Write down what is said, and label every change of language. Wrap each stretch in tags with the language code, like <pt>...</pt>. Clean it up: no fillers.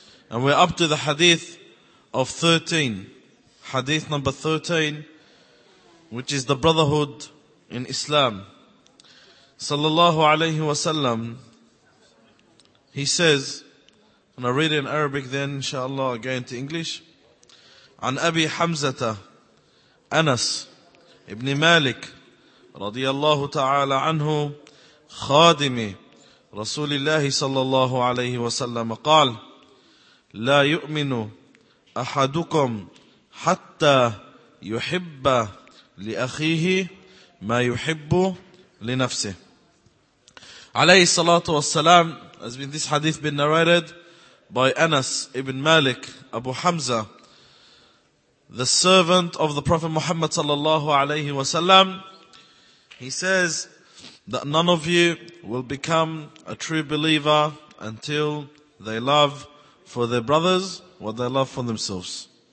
<en>And we're up to the hadith of 13, hadith number 13, which is the brotherhood in Islam. Sallallahu alayhi wa sallam, he says, and I read it in Arabic then inshallah again to English.</en> <ar>عن أبي حمزة أنس ابن مالك رضي الله تعالى عنه خادم رسول الله صلى الله عليه وسلم قال لا يؤمن أحدكم حتى يحب لأخيه ما يحب لنفسه. عليه الصلاة والسلام,</ar> <en>has been this hadith been narrated by Anas ibn Malik, Abu Hamza, the servant of the Prophet Muhammad sallallahu alayhi wa sallam. He says that none of you will become a true believer until they love for their brothers what they love for themselves.</en>